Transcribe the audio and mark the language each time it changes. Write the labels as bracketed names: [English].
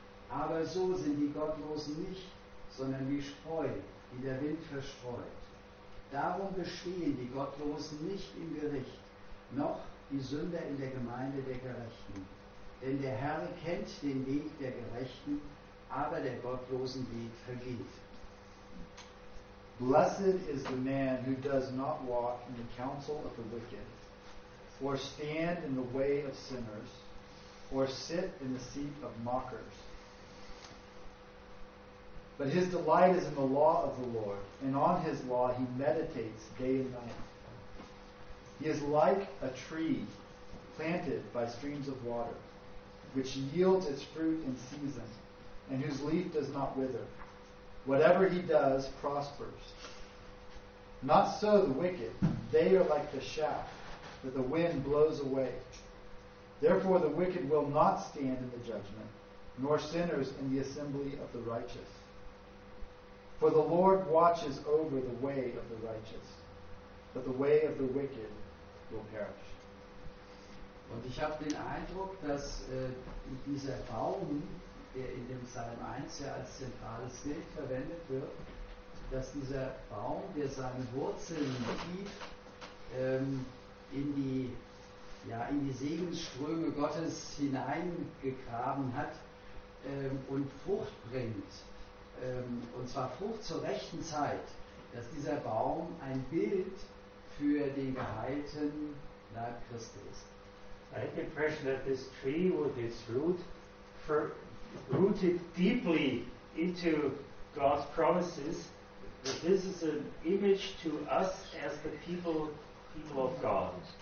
[German] Aber so sind die Gottlosen nicht, sondern wie Spreu, die der Wind verstreut. Darum bestehen die Gottlosen nicht im Gericht, noch die Sünder in der Gemeinde der Gerechten. Denn der Herr kennt den Weg der Gerechten, aber der gottlosen Weg vergeht. [English] Blessed is the man who does not walk in the counsel of the wicked, or stand in the way of sinners, or sit in the seat of mockers. But his delight is in the law of the Lord, and on his law he meditates day and night. He is like a tree planted by streams of water, which yields its fruit in season, and whose leaf does not wither. Whatever he does prospers. Not so the wicked. They are like the chaff that the wind blows away. Therefore the wicked will not stand in the judgment, nor sinners in the assembly of the righteous. For the Lord watches over the way of the righteous, but the way of the wicked will perish. [German] Und ich habe den Eindruck, dass dieser Baum, der in dem Psalm 1 ja als zentrales Bild verwendet wird, dass dieser Baum, der seine Wurzeln tief in die Segensströme Gottes hineingegraben hat und Frucht bringt, und zwar Frucht zur rechten Zeit, dass dieser Baum ein Bild für den geheilten Leib Christi ist. [English] I had the impression that this tree with its root rooted deeply into God's promises, that this is an image to us as the people of God.